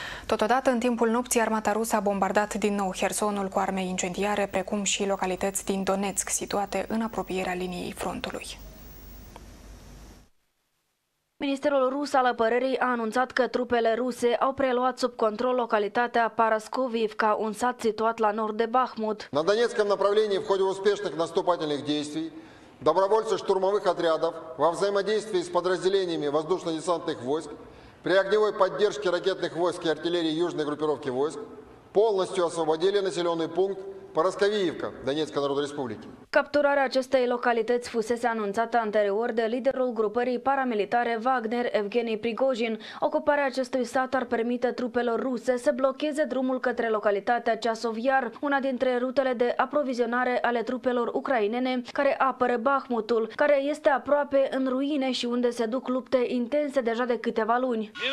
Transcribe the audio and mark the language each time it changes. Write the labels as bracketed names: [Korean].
[Romanian] Totodată, în timpul nopții, armata rusă a bombardat din nou Hersonul cu arme incendiare, precum și localități din Donetsk, situate în apropierea liniei frontului. Ministerul rus al apărării a anunțat că trupele ruse au preluat sub control localitatea Paraskovivka, un sat situat la nord de Bahmut. [Russian] На Донецком направлении в ходе успешных наступательных действий добровольцы штурмовых отрядов во взаимодействии с подразделениями воздушно-десантных войск при огневой поддержке ракетных войск и артиллерии южной группировки войск полностью освободили населенный пункт Paraskovivka, Donetska Narodna Republika. [Romanian] Capturarea acestei localități fusese anunțată anterior de liderul grupării paramilitare Wagner, Evgeni Prigojin. Ocuparea acestui sat ar permite trupelor ruse să blocheze drumul către localitatea Chasoviar, una dintre rutele de aprovizionare ale trupelor ucrainene care apără Bahmutul, care este aproape în ruine și unde se duc lupte intense deja de câteva luni.